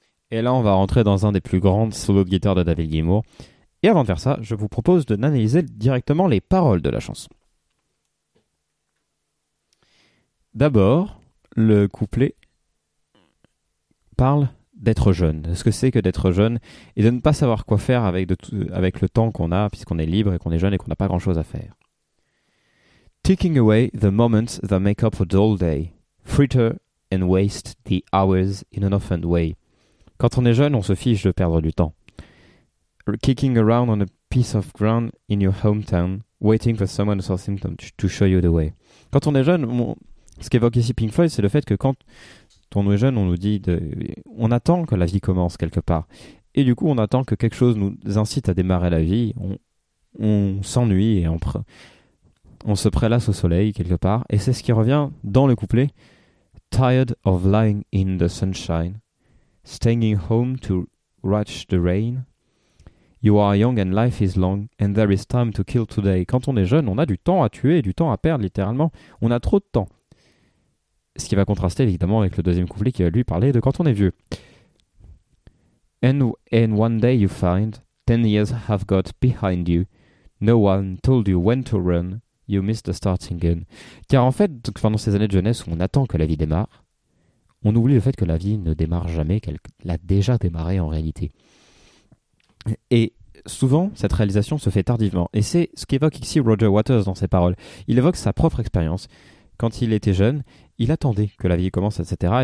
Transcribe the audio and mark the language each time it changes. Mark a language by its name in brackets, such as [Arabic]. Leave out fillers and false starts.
[French] Et là, on va rentrer dans un des plus grands solos de guitare de David Gilmour. Et avant de faire ça, je vous propose de n'analyser directement les paroles de la chanson. D'abord, le couplet parle d'être jeune, de ce que c'est que d'être jeune et de ne pas savoir quoi faire avec le temps qu'on a, puisqu'on est libre et qu'on est jeune et qu'on n'a pas grand-chose à faire. [English] Ticking away the moments that make up a dull day, fritter and waste the hours in an offhand way. [French] Quand on est jeune, on se fiche de perdre du temps. [English] Kicking around on a piece of ground in your hometown, waiting for someone or something to show you the way. [French] Quand on est jeune, ce qu'évoque ici Pink Floyd, c'est le fait que quand on est jeune, on nous dit on attend que la vie commence quelque part. Et du coup, on attend que quelque chose nous incite à démarrer la vie. On s'ennuie et on se prélasse au soleil quelque part. Et c'est ce qui revient dans le couplet. [English] Tired of lying in the sunshine, staying home to Ratch the Rain. You are young and life is long, and there is time to kill today. [French] Quand on est jeune, on a du temps à tuer, du temps à perdre, littéralement. On a trop de temps. Ce qui va contraster, évidemment, avec le deuxième couplet qui va lui parler de quand on est vieux. [English] And one day you find, 10 years have got behind you. No one told you when to run, you missed the starting gun. [French] Car en fait, pendant ces années de jeunesse où on attend que la vie démarre, on oublie le fait que la vie ne démarre jamais, qu'elle l'a déjà démarré en réalité. Et souvent, cette réalisation se fait tardivement. Et c'est ce qu'évoque ici Roger Waters dans ses paroles. Il évoque sa propre expérience. Quand il était jeune, il attendait que la vie commence, etc.